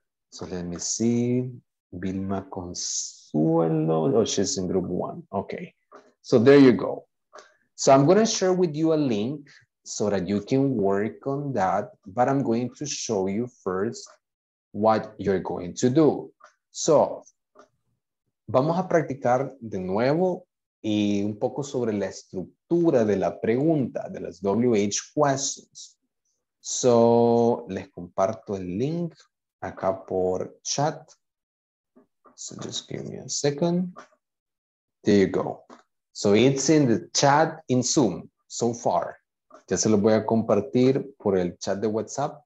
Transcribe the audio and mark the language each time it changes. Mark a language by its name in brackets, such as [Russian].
[English] So let me see, Vilma Consuelo, oh, she's in group one. Okay, so there you go. So I'm gonna share with you a link so that you can work on that, but I'm going to show you first what you're going to do. [Spanish] So vamos a practicar de nuevo y un poco sobre la estructura de la pregunta, de las WH questions. So les comparto el link acá por chat. [English] So just give me a second. There you go. So it's in the chat in Zoom so far. [Spanish] Ya se lo voy a compartir por el chat de WhatsApp.